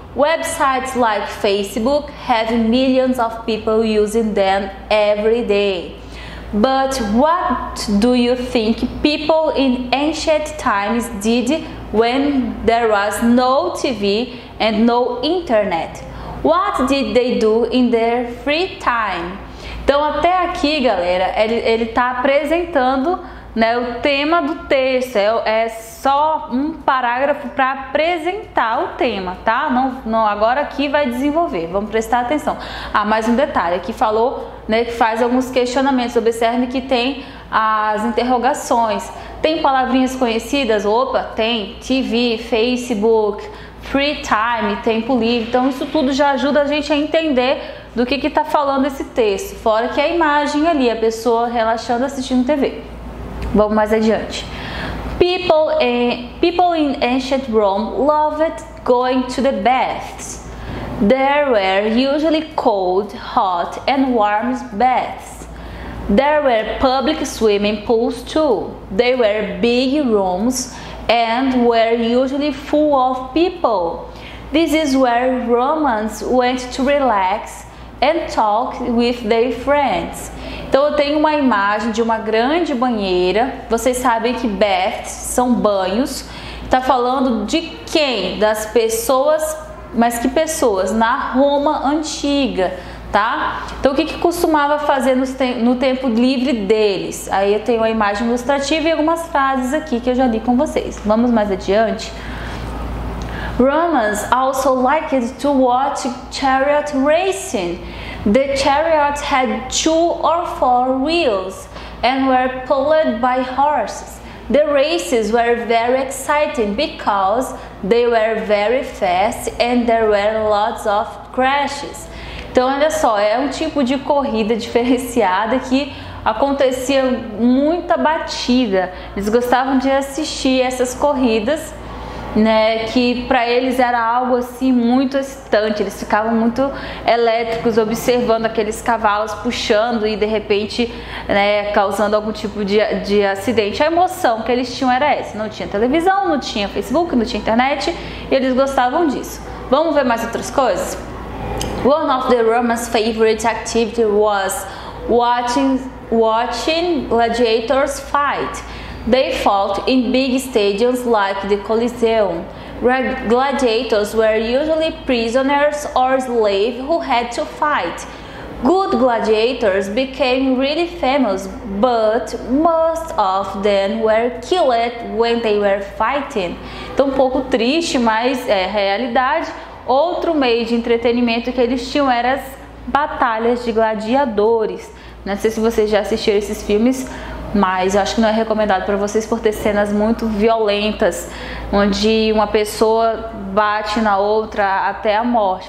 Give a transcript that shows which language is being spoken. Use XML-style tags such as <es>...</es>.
<en>Websites like Facebook have millions of people using them every day. But what do you think people in ancient times did when there was no TV and no internet? What did they do in their free time?</en> <pt>Então até aqui, galera, ele está apresentando, né, o tema do texto. É só um parágrafo para apresentar o tema, tá? Não, agora aqui vai desenvolver, vamos prestar atenção. Ah, mais um detalhe, aqui falou, né, que faz alguns questionamentos. Observe que tem as interrogações. Tem palavrinhas conhecidas? Opa, tem. TV, Facebook, free time, tempo livre. Então isso tudo já ajuda a gente a entender do que tá falando esse texto. Fora que a imagem ali, a pessoa relaxando assistindo TV. Vamos mais adiante.</pt> <en>People in ancient Rome loved going to the baths. There were usually cold, hot and warm baths. There were public swimming pools too. They were big rooms and were usually full of people. This is where Romans went to relax and talk with their friends.</en> <pt>Então eu tenho uma imagem de uma grande banheira. Vocês sabem que baths são banhos. Está falando de quem? Das pessoas, mas que pessoas? Na Roma antiga, tá? Então o que que costumava fazer no tempo livre deles? Aí eu tenho uma imagem ilustrativa e algumas frases aqui que eu já li com vocês. Vamos mais adiante.</pt> <en>Romans also liked to watch chariot racing. The chariots had two or four wheels and were pulled by horses. The races were very exciting because they were very fast and there were lots of crashes.</en> <pt>Então, olha só, é um tipo de corrida diferenciada que acontecia muita batida. Eles gostavam de assistir essas corridas, né, que para eles era algo assim muito excitante. Eles ficavam muito elétricos observando aqueles cavalos puxando e de repente, né, causando algum tipo de acidente. A emoção que eles tinham era essa. Não tinha televisão, não tinha Facebook, não tinha internet e eles gostavam disso. Vamos ver mais outras coisas?</pt> <en>One of the Romans' favorite activity was watching gladiators fight. They fought in big stadiums like the Colosseum. Gladiators were usually prisoners or slaves who had to fight. Good gladiators became really famous, but most of them were killed when they were fighting.</en> <pt>Então, um pouco triste, mas é realidade. Outro meio de entretenimento que eles tinham era as batalhas de gladiadores. Não sei se vocês já assistiram esses filmes, mas eu acho que não é recomendado para vocês por ter cenas muito violentas, onde uma pessoa bate na outra até a morte.</pt>